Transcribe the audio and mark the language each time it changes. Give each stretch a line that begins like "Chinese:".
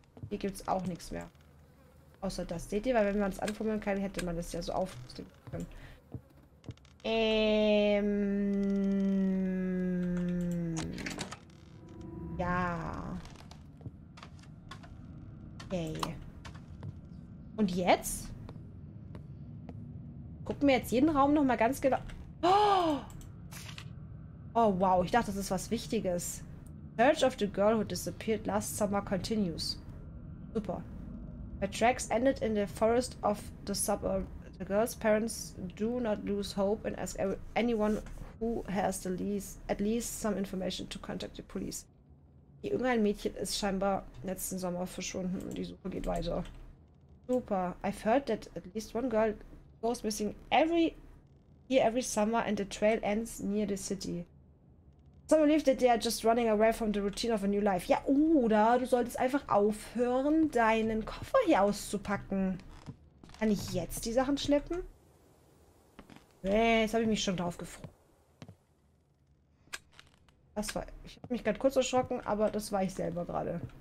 German: Hier gibt es auch nichts mehr. Außer das. Seht ihr? Weil wenn man es anfummeln kann, hätte man das ja so aufstellen können. Ja. Okay. Und jetzt? Gucken wir jetzt jeden Raum nochmal ganz genau. Oh wow, ich dachte, das ist was Wichtiges.
English: Search of the girl who disappeared last summer continues.
German: Super.
English: Her tracks ended in the forest of the suburb. The girl's parents do not lose hope and ask anyone who has the least, at least some information to contact the police.
German: Irgendein Mädchen ist scheinbar letzten Sommer verschwunden und die Suche geht weiter. Super.
English: I've heard that at least one girl goes missing every summer and the trail ends near the city. Some believe that they are just running away from the routine of a new life.
German: Ja, oder du solltest einfach aufhören, deinen Koffer hier auszupacken. Kann ich jetzt die Sachen schleppen? Jetzt habe ich mich schon drauf gefroren. Das war. Ich habe mich gerade kurz erschrocken, aber das war ich selber gerade.